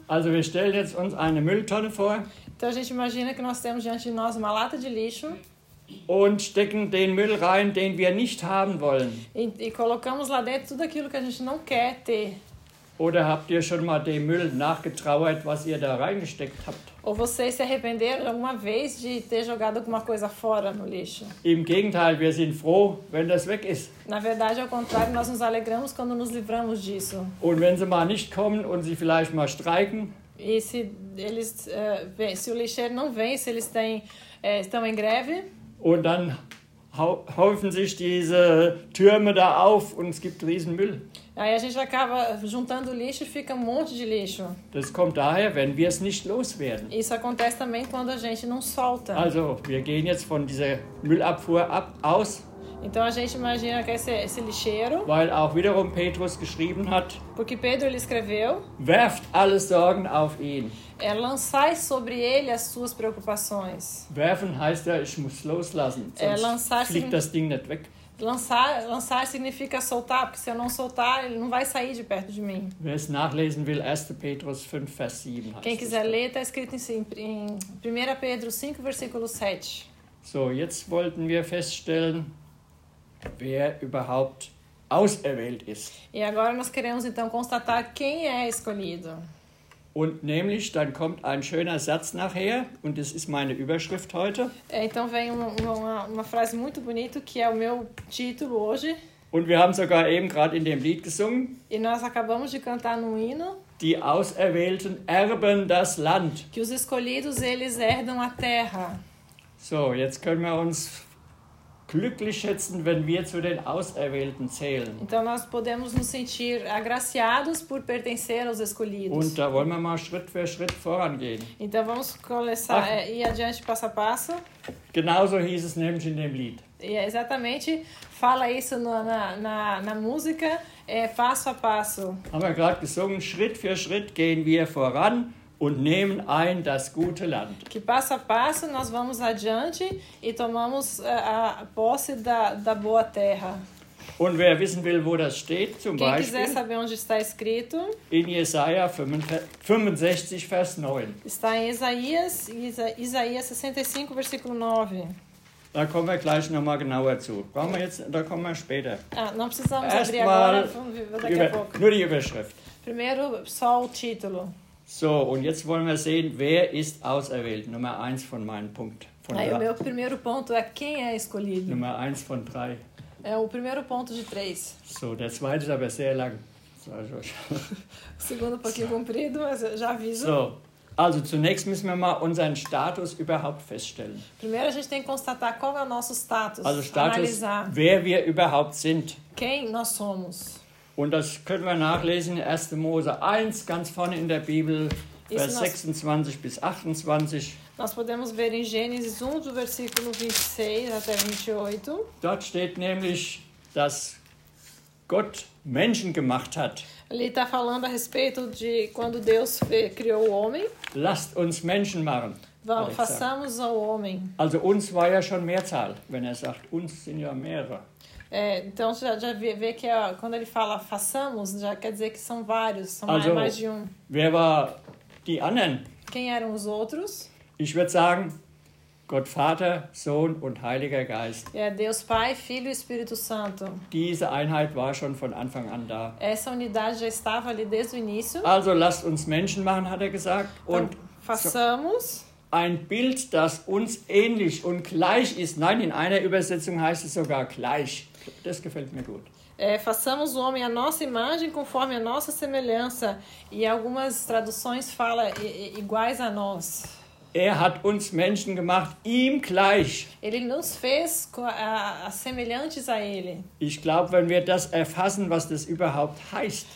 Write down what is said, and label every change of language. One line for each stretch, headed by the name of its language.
German: Also wir stellen jetzt uns eine Mülltonne vor.
Portuguese: Então a gente imagina que nós temos diante de nós uma lata de lixo.
German: Und stecken den Müll rein, den wir nicht haben wollen.
Portuguese: E colocamos lá dentro tudo aquilo que a gente não quer ter.
German: Oder habt ihr schon mal den Müll nachgetrauert, was ihr da reingesteckt habt?
Portuguese: Ou vocês se arrependeram alguma vez de ter jogado alguma coisa fora no lixo?
German: Im Gegenteil, wir sind froh, wenn das weg ist.
Portuguese: Na verdade, ao contrário, nós nos alegramos quando nos livramos disso.
German: Und wenn sie mal nicht kommen und sie vielleicht mal streiken?
Portuguese: E se eles, se o lixeiro não vem, se eles têm, estão em greve?
German: Und dann häufen sich diese Türme da auf und es gibt riesen Müll.
Portuguese: Aí a gente acaba juntando lixo e fica monte de lixo.
German: Das kommt daher, wenn wir es nicht loswerden.
Portuguese: Isso acontece também quando a gente não solta.
German: Also, wir gehen jetzt von dieser Müllabfuhr aus.
Portuguese: Então a gente imagina que esse lixeiro.
German: Weil auch wiederum Petrus geschrieben hat.
Portuguese: Porque Pedro ele escreveu.
German: Werft alle Sorgen auf ihn.
Portuguese: É lançar sobre ele as suas preocupações.
German: Werfen heißt ja, ich muss loslassen. Sonst fliegt das Ding nicht weg.
Portuguese: Lançar significa soltar, porque se eu não soltar, ele não vai sair de perto de mim.
German: Wer es nachlesen will, 1. Petrus 5, Vers 7.
Portuguese: Quem quiser ler, está escrito em 1 Pedro 5, versículo 7.
German: So, jetzt wollten wir feststellen, wer überhaupt auserwählt ist.
Portuguese: E agora nós queremos então constatar quem é escolhido.
German: Und nämlich, dann kommt ein schöner Satz nachher, und das ist meine Überschrift heute.
Portuguese: Então vem uma frase muito bonita, que é o meu título hoje.
German: Und wir haben sogar eben gerade in dem Lied gesungen.
Portuguese: E nós acabamos de cantar no hino.
German: Die Auserwählten erben das Land.
Portuguese: Que os escolhidos, eles herdam a terra.
German: So, jetzt können wir uns glücklich schätzen, wenn wir zu den Auserwählten zählen.
Portuguese: Então nós podemos nos sentir agraciados por pertencer aos escolhidos.
German: Und da wollen wir mal Schritt für Schritt vorangehen.
Portuguese: Então vamos começar ir adiante passo a passo.
German: Genauso hieß es nämlich in dem Lied.
Portuguese: E exatamente fala isso na música, passo a passo.
German: Haben wir gerade gesungen, Schritt für Schritt gehen wir voran. Und nehmen ein das gute Land.
Portuguese: Que passo a passo nós vamos adiante e tomamos a posse da boa terra.
German: Und wer wissen will, wo das steht, zum
Portuguese: Quem
German: Beispiel,
Portuguese: quiser saber onde está escrito,
German: in Jesaja 65, Vers 9.
Portuguese: Está em Isaías 65, versículo 9.
German: Da kommen wir gleich nochmal genauer zu. Brauchen wir jetzt, da kommen wir später.
Portuguese: Ah, não precisamos
German: erst
Portuguese: abrir agora, daqui a pouco.
German: Nur die Überschrift.
Portuguese: Primeiro só o título.
German: So, und jetzt wollen wir sehen, wer ist auserwählt? Nummer 1 von meinem Punkt.
Portuguese: O meu primeiro ponto é quem é escolhido.
German: Nummer 1 von 3.
Portuguese: É o primeiro ponto de 3.
German: So, der zweite ist aber sehr lang.
Portuguese: O segundo um pouquinho comprido, mas já aviso.
German: So, also zunächst müssen wir mal unseren Status überhaupt feststellen.
Portuguese: Primeiro a gente tem que constatar qual é o nosso Status.
German: Also Status, analisar. Wer wir überhaupt sind.
Portuguese: Quem nós somos.
German: Und das können wir nachlesen in 1. Mose 1, ganz vorne in der Bibel, Vers 26 bis 28.
Portuguese: Nós podemos ver in Gênesis 1, do versículo 26 até 28.
German: Dort steht nämlich, dass Gott Menschen gemacht hat.
Portuguese: Ele está falando a respeito de quando Deus criou o homem.
German: Lasst uns Menschen machen.
Portuguese: Façamos ao homem.
German: Also uns war ja schon Mehrzahl, wenn er sagt, uns sind ja mehrere.
Portuguese: Então você já vê que quando ele fala façamos, já quer dizer que são vários, são mais de um.
German: Wer war die anderen?
Portuguese: Quem eram os outros?
German: Ich würde sagen, Gott Vater, Sohn und Heiliger Geist.
Portuguese: É Deus Pai, Filho e Espírito Santo.
German: Diese Einheit war schon von Anfang an da.
Portuguese: Essa unidade já estava ali desde o início.
German: Also lasst uns Menschen machen, hat er gesagt. Und
Portuguese: façamos.
German: Ein Bild, das uns ähnlich und gleich ist. Nein, in einer Übersetzung heißt es sogar gleich. Das gefällt mir gut.
Portuguese: Façamos o homem a nossa imagem conforme a nossa semelhança. E algumas traduções falam iguais a nós.
German: Er hat uns Menschen gemacht, ihm gleich.
Portuguese: Ele nos fez semelhantes a ele.
German: Ich glaube, wenn wir das erfassen, was das überhaupt heißt.